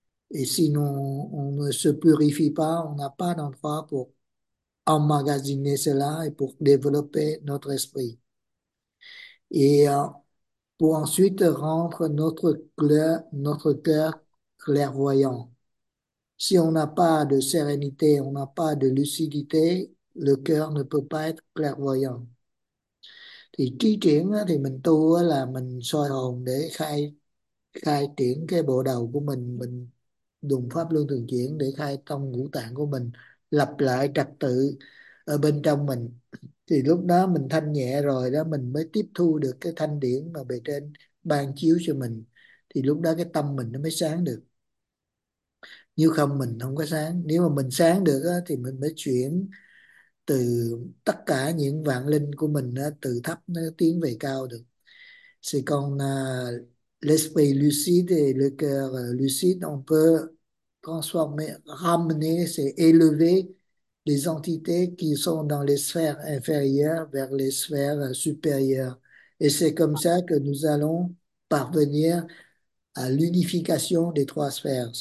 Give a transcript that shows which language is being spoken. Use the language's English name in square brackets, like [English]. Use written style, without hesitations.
[French] Et sinon, on ne se purifie pas, on n'a pas d'endroit pour emmagasiner cela et pour développer notre esprit. Et pour ensuite rendre notre cœur clairvoyant. Si on n'a pas de sérénité, on n'a pas de lucidité, le cœur ne peut pas être clairvoyant. [Vietnamese] Thì trí triển thì mình tu là mình soi hồn để khai khai triển cái bộ đầu của mình dùng pháp luân thường chuyển để khai thông ngũ tạng của mình, lặp lại trật tự ở bên trong mình, thì lúc đó mình thanh nhẹ rồi đó, mình mới tiếp thu được cái thanh điển mà bề trên ban chiếu cho mình, thì lúc đó cái tâm mình nó mới sáng được. Nếu không mình không có sáng, nếu mà mình sáng được đó, thì mình mới chuyển từ tất cả những vạn linh của mình đó, từ thấp nó tiến về cao được. [French] C'est quand l'esprit lucide et le cœur lucide, on peut transformer, ramener, c'est élever les entités qui sont dans les sphères inférieures vers les sphères supérieures. Et c'est comme ça que nous allons parvenir à l'unification des trois sphères.